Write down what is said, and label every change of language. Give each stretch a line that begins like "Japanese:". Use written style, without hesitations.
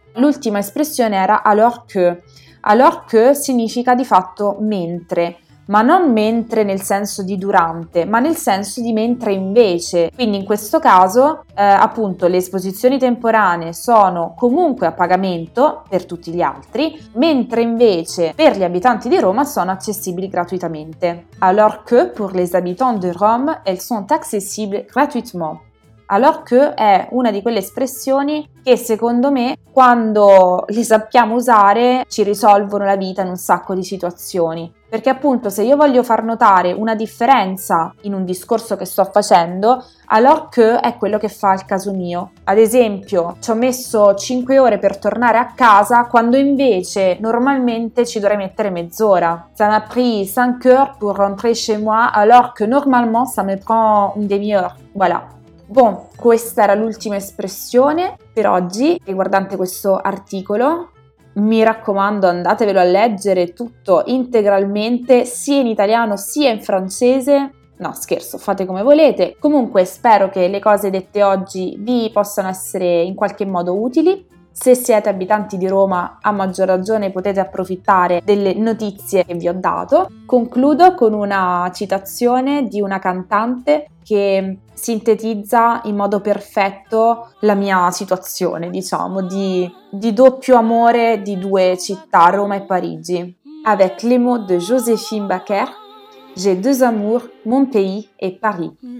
Italian: L'ultima espressione era
French: alors que. Alors que
Italian: significa di fatto mentre, ma non mentre nel senso di durante, ma nel senso di mentre invece. Quindi in questo caso, appunto, le esposizioni temporanee sono comunque a pagamento per tutti gli altri, mentre invece per gli abitanti di Roma sono accessibili gratuitamente.
French: Alors que pour les habitants de Rome, elles sont accessibles gratuitement. Alors que
Italian: è una di quelle espressioni che secondo me, quando le sappiamo usare, ci risolvono la vita in un sacco di situazioni. Perché appunto, se io voglio far notare una differenza in un discorso che sto facendo,
French: alors que
Italian: è quello che fa il caso mio. Ad esempio, ci ho messo 5 ore per tornare a casa, quando invece normalmente ci dovrei mettere mezz'ora.
French: Ça m'a pris 5 heures pour rentrer chez moi, alors que normalement ça me prend une demi-heure. Voilà.
Italian: Bon, questa era l'ultima espressione per oggi riguardante questo articolo. Mi raccomando, andatevelo a leggere tutto integralmente, sia in italiano sia in francese. No, scherzo, fate come volete. Comunque, spero che le cose dette oggi vi possano essere in qualche modo utili. Se siete abitanti di Roma, a maggior ragione potete approfittare delle notizie che vi ho dato. Concludo con una citazione di una cantante che sintetizza in modo perfetto la mia situazione, diciamo, di doppio amore di due città, Roma e Parigi.
French: Avec les mots de Joséphine Baker, j'ai deux amours, mon pays et Paris.